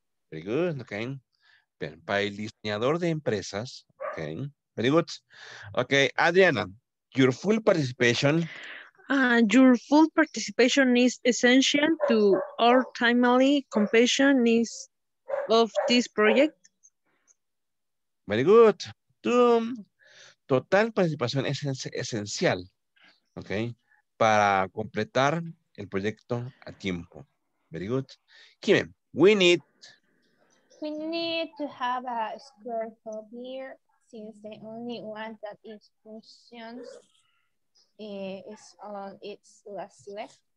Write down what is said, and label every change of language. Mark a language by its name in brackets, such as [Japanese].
[English] Very good, okay. [Spanish] Bien, para el diseñador de empresas, [English] okay. Very good. Okay, Adriana, your full participation. Your full participation is essential to our timely completion needs of this project. Very good. [Spanish] Total participación es esencial, okay, para completar el proyecto a tiempo. [English] Very good. Kimen, we need to have a square top here since the only one that is functions is on its last leg.